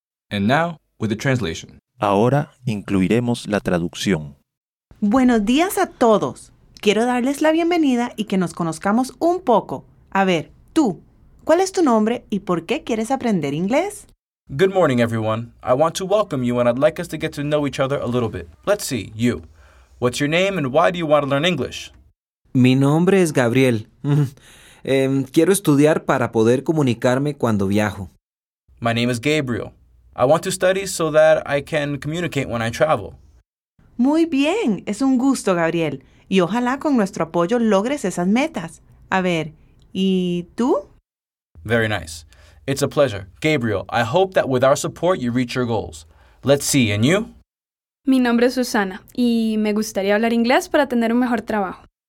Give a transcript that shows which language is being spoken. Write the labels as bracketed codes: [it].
[en] And now with the translation. [es] Ahora incluiremos la traducción. Buenos días a todos. Quiero darles la bienvenida y que nos conozcamos un poco. A ver, tú, ¿cuál es tu nombre y por qué quieres aprender inglés? [en] Good morning, everyone. I want to welcome you and I'd like us to get to know each other a little bit. Let's see, you. What's your name and why do you want to learn English? [es] Mi nombre es Gabriel. quiero estudiar para poder comunicarme cuando viajo. [en] My name is Gabriel. I want to study so that I can communicate when I travel. [es] Muy bien. Es un gusto, Gabriel. Y ojalá con nuestro apoyo logres esas metas. A ver, ¿y tú? [en] Very nice. It's a pleasure. Gabriel, I hope that with our support you reach your goals. Let's see, and you? [es] Mi nombre es Susana, y me gustaría hablar inglés para tener un mejor trabajo.